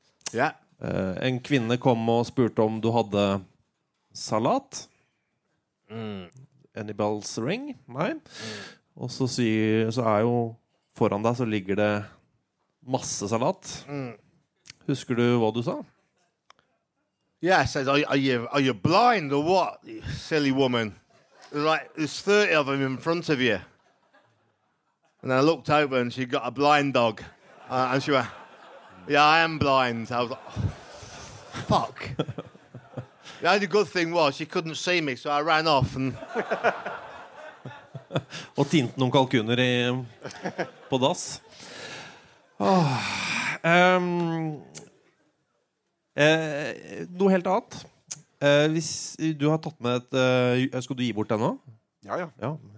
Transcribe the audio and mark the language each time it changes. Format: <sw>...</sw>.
<no>Ja. Yeah. En kvinne kom og spurte om du hadde salat.</no> <en>Any bells ring? Nei. Mm.</en> <no>Og så, så jo foran deg så ligger det masse salat. Mm. Husker du hva du sa?</no> <en>Yeah, I said, are you blind or what, you silly woman? Like, there's 30 of them in front of you. And I looked over and she got a blind dog. And she went, yeah, I am blind. I was like, fuck. The only good thing was she couldn't see me, so I ran off.</en> <no>Og tinte noen kalkuner på dass. Noe helt annet. Hvis du har tatt med et skal du gi bort den nå? Ja,</no>